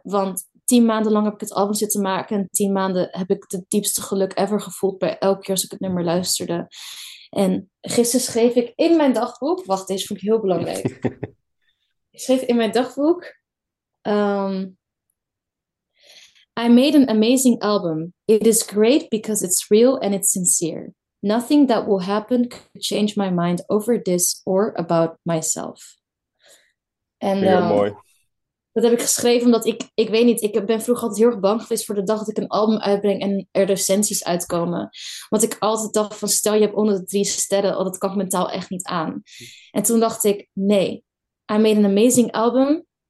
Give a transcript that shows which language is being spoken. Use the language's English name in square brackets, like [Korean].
[Dutch] Want 10 maanden lang heb ik het album zitten maken. En 10 maanden heb ik het diepste geluk ever gevoeld bij elke keer als ik het nummer luisterde. En gisteren schreef ik in mijn dagboek. Wacht, deze vond ik heel belangrijk. Ik schreef in mijn dagboek: [English] I made an amazing album. It is great because it's real and it's sincere. Nothing that will happen could change my mind over this or about myself. [Dutch] En Heel mooi. dat heb ik geschreven omdat ik weet niet, ik ben vroeger altijd heel erg bang geweest voor de dag dat ik een album uitbreng en er recensies uitkomen. Want ik altijd dacht van, stel je hebt onder de 3 sterren, oh, dat kan ik mentaal echt niet aan. En toen dacht ik, nee. [English] I made an amazing album.